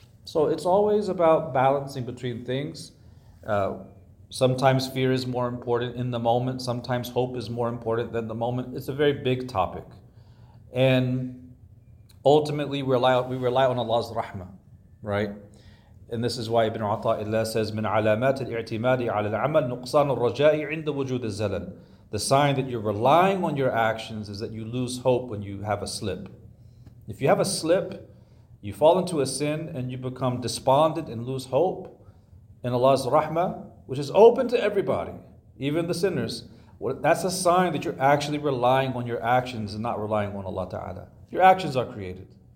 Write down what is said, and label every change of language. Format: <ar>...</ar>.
<en>So it's always about balancing between things. Sometimes fear is more important in the moment. Sometimes hope is more important than the moment. It's a very big topic. And ultimately, we rely on Allah's rahmah, right? And this is why Ibn Ata'illah says,</en> <ar>مِنْ عَلَامَاتِ الْإِعْتِمَادِ عَلَى الْعَمَلِ نُقْصَانُ الرَّجَاءِ عِنْدَ وُجُودِ الزَّلَلِ.</ar> <en>The sign that you're relying on your actions is that you lose hope when you have a slip. If you have a slip, you fall into a sin and you become despondent and lose hope in Allah's rahmah, which is open to everybody, even the sinners, that's a sign that you're actually relying on your actions and not relying on Allah Ta'ala. Your actions are created.</en>